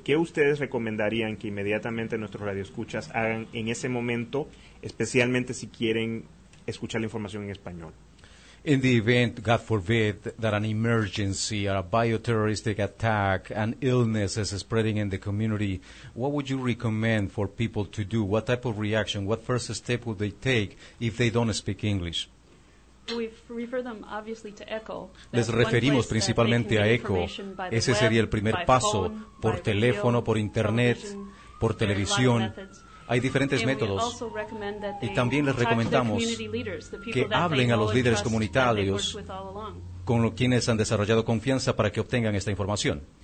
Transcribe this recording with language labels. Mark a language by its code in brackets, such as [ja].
[es] ¿Qué ustedes recomendarían que inmediatamente nuestros radioescuchas hagan en ese momento, especialmente si quieren escuchar la información en español? [en] In the event, God forbid, that an emergency or a bioterroristic attack, an illness is spreading in the community, what would you recommend for people to do? What type of reaction, what first step would they take if they don't speak English? We refer them obviously to ECHO. [es] Les referimos principalmente a ECHO. Ese sería el primer paso, por teléfono, por internet, por televisión. Hay diferentes métodos. Y también les recomendamos que hablen a los líderes comunitarios con los quienes han desarrollado confianza para que obtengan esta información.